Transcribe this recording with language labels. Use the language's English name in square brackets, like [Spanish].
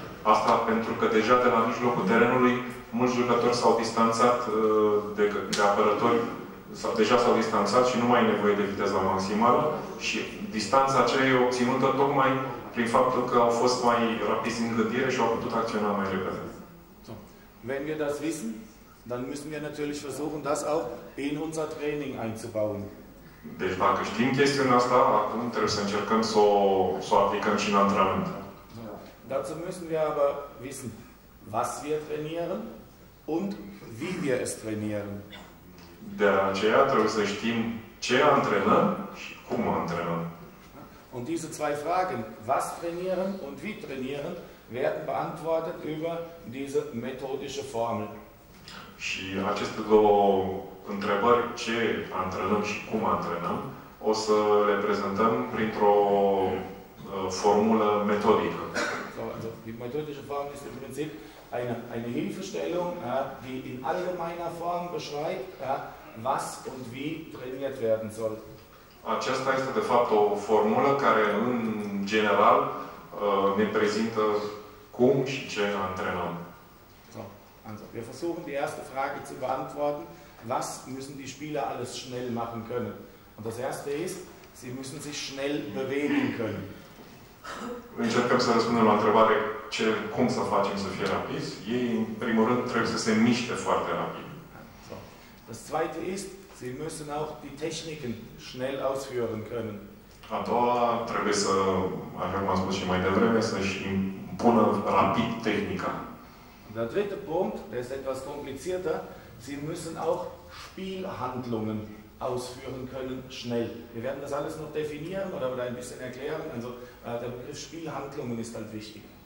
[Romanian] Asta pentru că deja de la mijlocul terenului mulți jucători s-au distanțat de apărători, deja s-au distanțat și nu mai e nevoie de viteza maximală și distanța aceea e obținută tocmai prin faptul că au fost mai rapizi în gândire și au putut acționa mai repede. So. [German] Wenn wir das wissen, dann müssen wir natürlich versuchen, das auch in unser Training einzubauen. [Romanian] Deci dacă știm chestiunea asta, acum trebuie să încercăm să o aplicăm și în antrenament. Ja. [German] Dazu müssen wir aber wissen, was wir trainieren und wie wir es trainieren. [Romanian] De aceea trebuie să știm ce antrenăm și cum antrenăm. [German] Und diese zwei Fragen, was trainieren und wie trainieren, werden beantwortet über diese methodische Formel. [Romanian] Și aceste două întrebări, ce antrenăm și cum antrenăm, o să le prezentăm printr-o formulă metodică. [German] So, also, die methodische Formel ist im Prinzip eine Hilfestellung, ja, die in allgemeiner Form beschreibt, ja, was und wie trainiert werden soll. [Romanian] Aceasta este, de fapt, o formulă care, în general, ne prezintă cum și ce antrenăm. [German] So, also, wir versuchen die erste Frage zu beantworten. Was müssen die Spieler alles schnell machen können? Und das erste ist, sie müssen sich schnell bewegen können. [Romanian] Încercăm să răspundem la întrebare ce, cum să facem să fie rapizi. Ei, în primul rând, trebuie să se miște foarte rapid. So. [German] Das zweite ist, sie müssen auch die Techniken schnell ausführen können. [Romanian] A doua, trebuie să, așa cum am spus și mai devreme, să-și impună rapid tehnica. [German] Und der dritte Punkt, der ist etwas komplizierter, sie müssen auch Spielhandlungen ausführen können, schnell. Wir werden das alles noch definieren oder ein bisschen erklären. Also der Begriff Spielhandlungen ist halt wichtig.